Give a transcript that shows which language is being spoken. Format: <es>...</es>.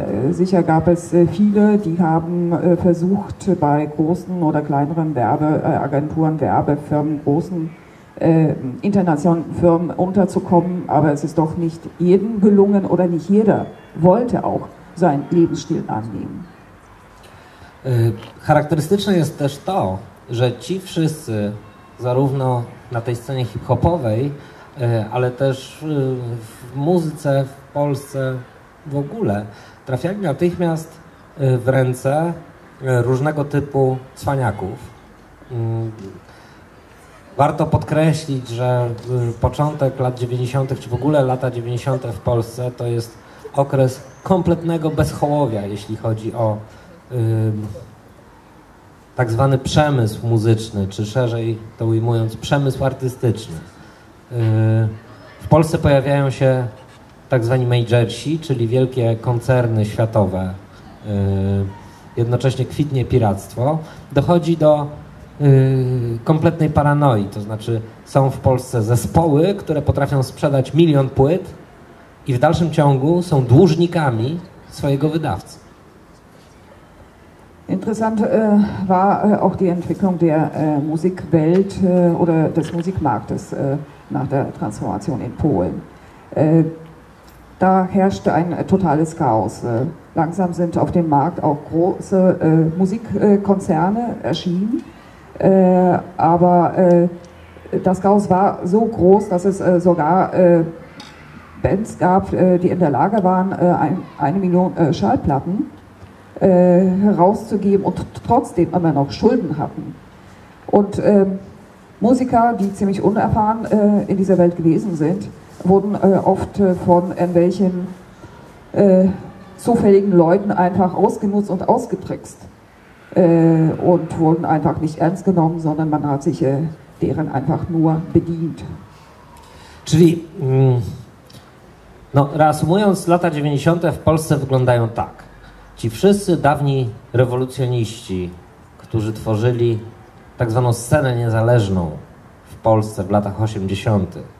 <de>Sicher gab es viele, die haben versucht, bei großen oder kleineren Werbeagenturen, Werbefirmen, großen internationalen Firmen unterzukommen, aber es ist doch nicht jedem gelungen oder nicht jeder wollte auch seinen Lebensstil annehmen.</de> <pl>Charakterystyczne jest też to, że ci wszyscy, zarówno na tej scenie hip-hopowej, ale też w muzyce, w Polsce w ogóle, trafiali natychmiast w ręce różnego typu cwaniaków. Warto podkreślić, że początek lat 90., czy w ogóle lata 90. w Polsce, to jest okres kompletnego bezchołowia, jeśli chodzi o tak zwany przemysł muzyczny, czy szerzej to ujmując, przemysł artystyczny. W Polsce pojawiają się tak zwani majorsi, czyli wielkie koncerny światowe. Jednocześnie kwitnie piractwo. Dochodzi do kompletnej paranoi, to znaczy są w Polsce zespoły, które potrafią sprzedać milion płyt i w dalszym ciągu są dłużnikami swojego wydawcy.</pl> <de>Interessant war auch die Entwicklung der Musikwelt oder des Musikmarktes nach der Transformation in Polen. Da herrschte ein totales Chaos. langsam sind auf dem Markt auch große Musikkonzerne erschienen. Aber das Chaos war so groß, dass es sogar Bands gab, die in der Lage waren, eine Million Schallplatten herauszugeben und trotzdem immer noch Schulden hatten. Und Musiker, die ziemlich unerfahren in dieser Welt gewesen sind, wurden oft von irgendwelchen zufälligen Leuten einfach ausgenutzt und ausgetrickst und wurden einfach nicht ernst genommen, sondern man hat sich deren einfach nur bedient.</de> <pl>Czyli, no reasumując, lata 90. w Polsce wyglądają tak. Ci wszyscy dawni rewolucjoniści, którzy tworzyli tak zwaną scenę niezależną w Polsce w latach 80.</pl>